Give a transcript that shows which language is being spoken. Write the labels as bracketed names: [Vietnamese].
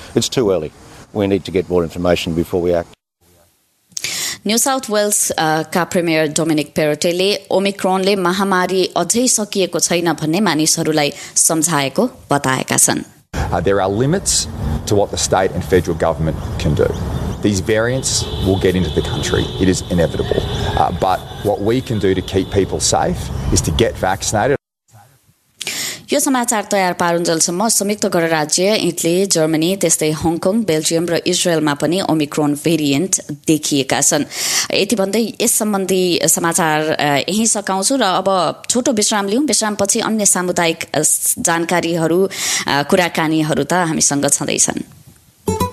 [English] It's too early. We need to get more information before we act. [Nepali] New south वेल्सका premier Dominic Perrottet ओमिक्रोनले महामारी अझै सकिएको छैन भन्ने मानिसहरूलाई सम्झाएको बताएका छन्। [English] There are limits to what the state and federal government can do. These variants will get into the country. It is inevitable. But what we can do to keep people safe is to get vaccinated. [Nepali] यो समाचार तयार पारुन्जेलसम्म संयुक्त गणराज्य, Italy, Germany, त्यस्तै Hong Kong, Belgium र इजरायलमा पनि Omicron variant देखिएका छन्। यति भन्दै यस सम्बन्धी समाचार यहीँ सकाउँछु र अब छोटो विश्राम लिउँ। विश्रामपछि अन्य सामुदायिक जानकारीहरू कुराकानीहरू त हामीसँग छँदैछन्।